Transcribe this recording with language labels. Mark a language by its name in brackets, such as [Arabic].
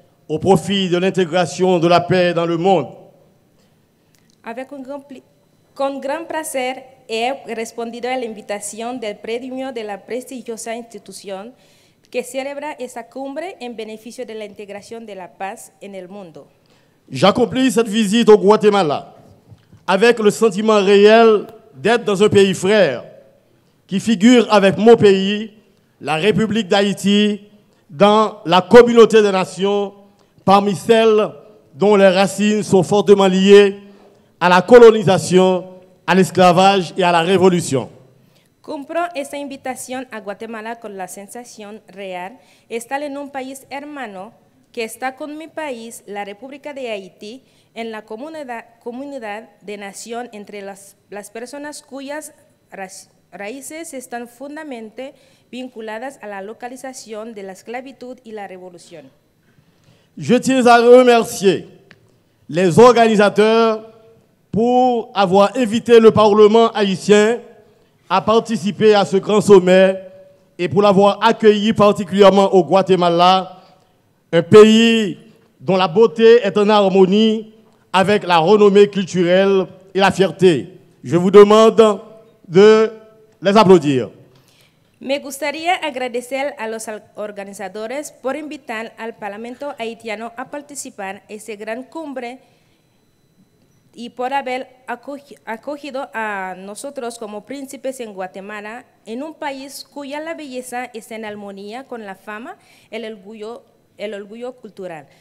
[French] Au profit de l'intégration de la paix dans le monde. Avec un grand, [Spanish] con gran placer he respondido a la invitación del premio de la prestigiosa institución que celebra esta cumbre en beneficio de la integración de la paz en el mundo. [French] J'accomplis cette visite au Guatemala avec le sentiment réel d'être dans un pays frère qui figure avec mon pays, la République d'Haïti, dans la communauté des nations parmi celles dont les racines sont fortement liées à la colonisation, à l'esclavage et à la révolution. [Spanish] Cumplo esta invitación a Guatemala con la sensación real estar en un país hermano que está con mi país, la República de Haití, en la comunidad de nación entre las personas cuyas raíces están fundamente vinculadas a la localización de la esclavitud y la revolución. [French] Je tiens à remercier les organisateurs pour avoir invité le Parlement haïtien à participer à ce grand sommet et pour l'avoir accueilli particulièrement au Guatemala, un pays dont la beauté est en harmonie avec la renommée culturelle et la fierté. Je vous demande de les applaudir. [Spanish] Me gustaría agradecer a los organizadores por invitar al Parlamento haitiano a participar en esta gran cumbre y por haber acogido a nosotros como príncipes en Guatemala, en un país cuya la belleza está en armonía con la fama, el orgullo cultural.